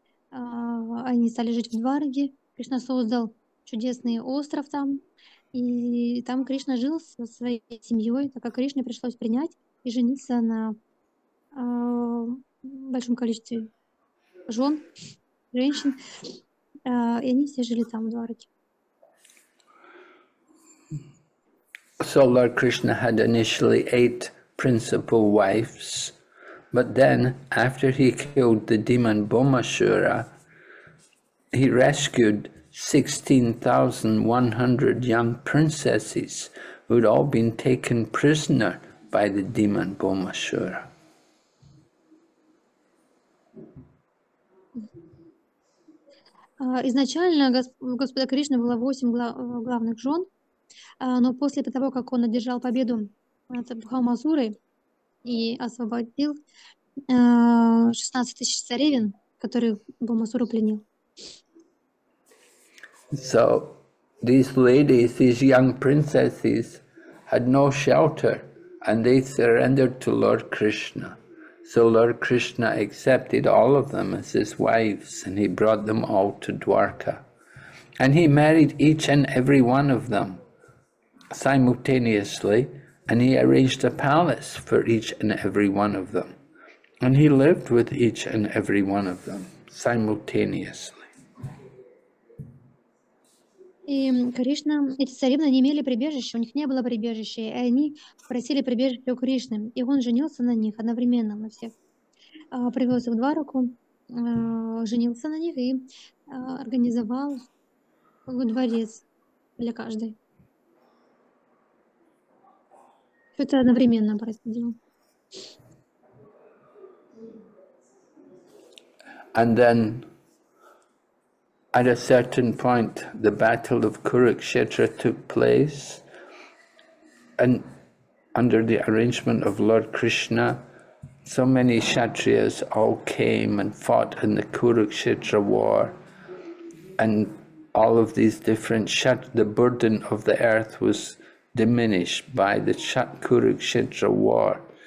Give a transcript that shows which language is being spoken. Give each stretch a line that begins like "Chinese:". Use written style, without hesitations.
Russian: Они стали жить в Дварке. Кришна создал чудесный остров там, и там Кришна жил со своей семьей, так как Кришне пришлось принять и жениться на большом количестве жен, женщин, и они все жили там в Дварке.
English: So Lord Krishna had initially 8 principal wives, but then after he killed the demon Bhaumasura, he rescued 16,100 young princesses who had all been taken prisoner by the demon Bhaumasura.
Russian: Изначально у Господа Кришны было 8 главных жен. Но после того, как он одержал победу над Бхаумасурой и освободил 16 тысяч царевен, которых Бхаумасуру пленил.
English: So these ladies, these young princesses, had no shelter, and they surrendered to Lord Krishna. So Lord Krishna accepted all of them as his wives, and he brought them all to Dwarka. And he married each and every one of them simultaneously, and he arranged a palace for each and every one of them, and he lived with each and every one of them simultaneously.
Russian: И Кришна, эти царевны не имели прибежища, у них не было прибежища, и они просили прибежище у Кришны, и он женился на них одновременно, на всех. Привез их в Двараку, женился на них и организовал дворец для каждой. Это одновременно происходило.
English: And then at a certain point the battle of Kurukshetra took place, and under the arrangement of Lord Krishna, so many Kshatriyas all came and fought in the Kurukshetra war, and all of these different the burden of the earth was diminished by the Kurukshetra war.